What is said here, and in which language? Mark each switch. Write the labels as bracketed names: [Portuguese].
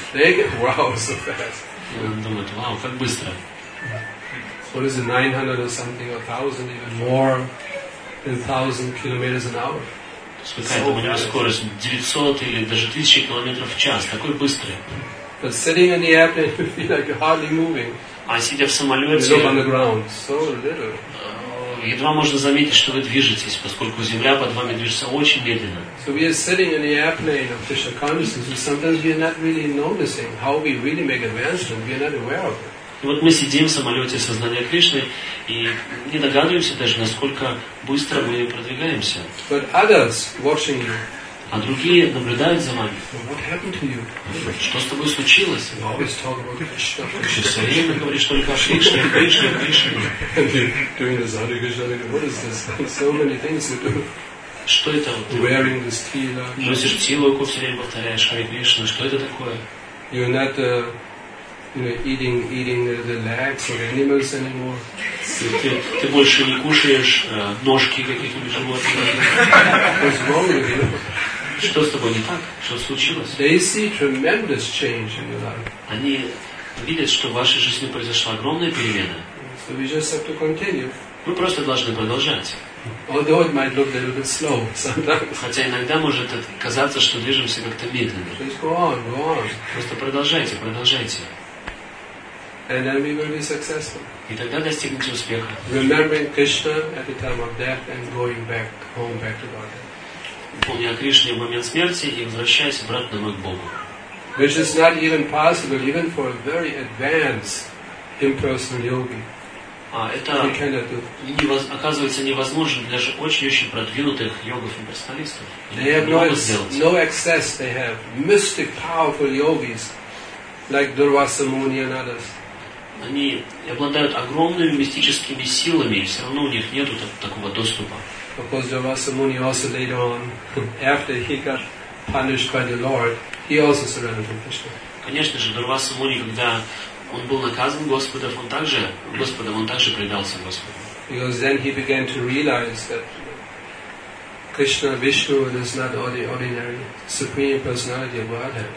[Russian] Он думает, вау, как быстро. [English] What is it, 900 or something, or 1000, even more than 1000 kilometers an hour? [Russian] Какая-то у него скорость 900 или даже 1000 километров в час, такой быстрый. [English] But sitting in the airplane, you feel like you're hardly moving. [Russian] А сидя в самолете, [English] you look on the ground, so little. [Russian] Едва можно заметить, что вы движетесь, поскольку земля под вами движется очень медленно. [English] So we are sitting in the airplane of Krishna consciousness, and sometimes we are not really noticing how we really make advancement. We are not aware of it. [Russian] И вот мы сидим в самолете сознания Кришны и не догадываемся даже, насколько быстро мы продвигаемся. [English] But others watching you. [Russian] А другие наблюдают за вами. [English] What happened to you? [Russian] Что с тобой случилось? [English] You always talk about Krishna. [Russian] Ты все время говоришь только о Кришне, Кришне, Кришне. [English] And you're doing this Hare Krishna, like, what is this? So many things you do. [Russian] Что это? [English] Wearing this tila. [Russian] Носишь тилоку, все время повторяешь Hare Krishna. Что это такое? [English] You're not eating the legs of animals anymore. [Russian] Ты больше не кушаешь ножки каких-нибудь животных. [English] What's wrong with you? [Russian] Что с тобой не так? Что случилось? [English] They see tremendous change in your life. [Russian] Они видят, что в вашей жизни произошла огромная перемена. [English] So we just have to continue. [Russian] Вы просто должны продолжать. [English] Although it might look a little bit slow sometimes. [Russian] Хотя иногда может казаться, что движемся как-то медленно. [English] Just go on, go on. [Russian] Просто продолжайте, продолжайте. [English] And then we will be successful. [Russian] И тогда достигнете успеха. [English] Remembering Krishna at the time of death and going back home, back to God. [Russian] Помня о Кришне в момент смерти и возвращаясь обратно к Богу. [English] Which is not even possible even for a very advanced impersonal yogi. [Russian] Это оказывается невозможно для же очень-очень продвинутых йогов и персоналистов. [English] They have no access. They have mystic, powerful yogis like Durvasa Muni and others. [Russian] Они обладают огромными мистическими силами, и все равно у них нету такого доступа. [English] Because Durvasa Muni also later on, after he got punished by the Lord, he also surrendered to Krishna. [Russian] Конечно же, Дурваса Муни, когда он был наказан Господом, он также Господом, он также предался Господу. [English] Because then he began to realize that Krishna Vishnu is not the ordinary supreme personality of Godhead.